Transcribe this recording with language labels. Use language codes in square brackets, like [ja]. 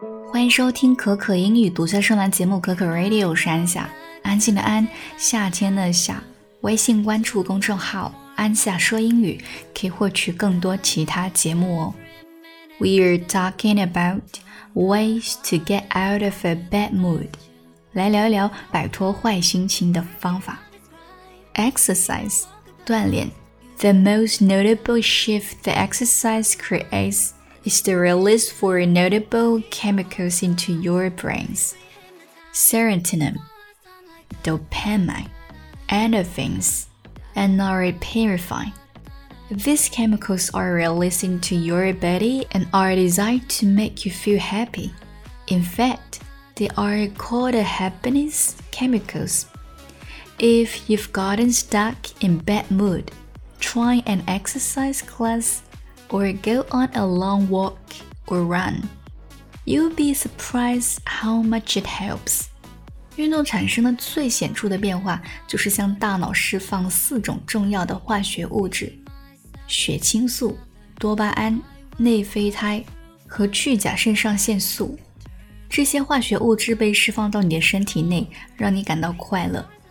[zh] 欢迎收听可可英语独家专栏节目可可 Radio， 是安夏，安静的安，夏天的夏。微信关注公众号安夏说英语，可以获取更多其他节目哦。 [en] We're talking about ways to get out of a bad mood， [zh] 来聊一聊摆脱坏心情的方法。 [en] Exercise， [zh] 锻炼。 [en] The most notable shift that exercise creates is the release for notable chemicals into your brains. Serotonin, dopamine, endorphins, and norepinephrine. These chemicals are released into your body and are designed to make you feel happy. In fact, they are called happiness chemicals. If you've gotten stuck in bad mood,Try an exercise class or go on a long walk or run. You'll be surprised how much it helps. [zh] 运动产生的最显著的变化就是向大脑释放四种重要的化学物质：血清素、多巴胺、内啡肽和去甲肾上腺素。这些化学物质被释放到你的身体内，让你感到快乐。